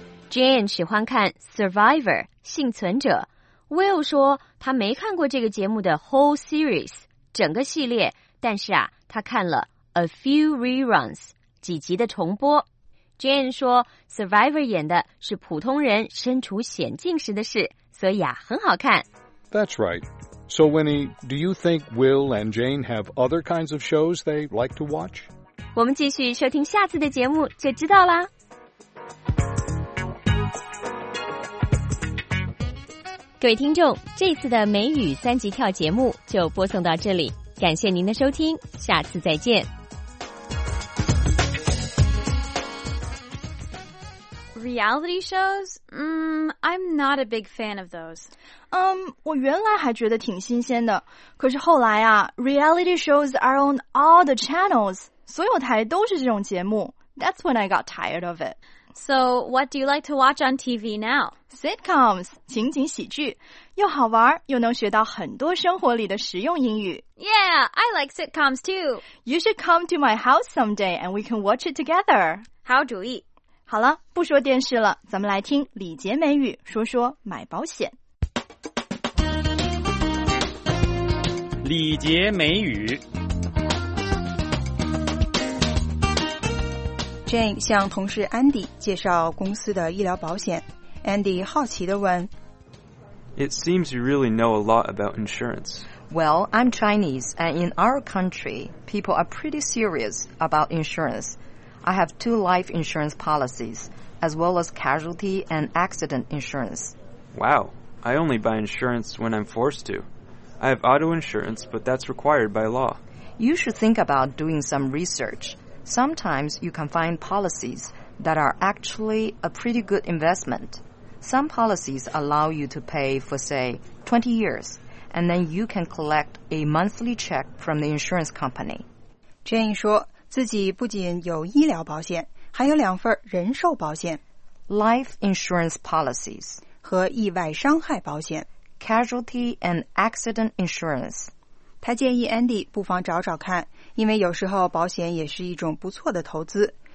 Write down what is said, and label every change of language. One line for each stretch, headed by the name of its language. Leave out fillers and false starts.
Chinese: Jane 喜欢看 Survivor, 幸存者。Will 说他没看过这个节目的
English: whole series
Chinese: 整个系列，但是啊，他看了
English: a few reruns
Chinese: 几集的重播。 Jane 说 Survivor 演的是普通人身处险境时的事，所以啊，很好看。
English: That's right. So Winnie, do you think Will and Jane have other kinds of shows they like to watch?
Chinese: 我们继续收听下次的节目就知道啦。各位听众，这次的美语三级跳节目就播送到这里，感谢您的收听，下次再见。
English: Reality shows? I'm not a big fan of those.
Chinese: 我原来还觉得挺新鲜的，可是后来啊 ，
English: reality shows are on all the channels，
Chinese: 所有台都是这种节目。
English: That's when I got tired of it. So, what do you like to watch on TV now?
Chinese: Sitcoms, 情景喜剧，又好玩又能学到很多生活里的实用英语。
English: Yeah, I like sitcoms too. You should come to my house someday and we can watch it together.
Chinese: 好主意。好了，不说电视了，咱们来听李杰美语说说买保险。李杰美语。 Jane 向同事 Andy 介绍公司的医疗保险。 Andy 好奇地问
English: It seems you really know a lot about insurance. Well, I'm Chinese, and in our country, people are pretty serious about insurance. I have two life insurance policies, as well as casualty and accident insurance. Wow, I only buy insurance when I'm forced to. I have auto insurance, but that's required by law. You should think about doing some research. Sometimes you can find policies that are actually a pretty good investment. Some policies allow you to pay for, say, 20 years, and then you can collect a monthly check from the insurance company.
Chinese: Jane 说自己不仅有医疗保险，还有两份人寿保险。
English: Life insurance policies.
Chinese: 和意外伤害保险。
English: Casualty and accident insurance.
Chinese: 他建议 Andy 不妨找找看，因为有时候保险也是一种不错的投资。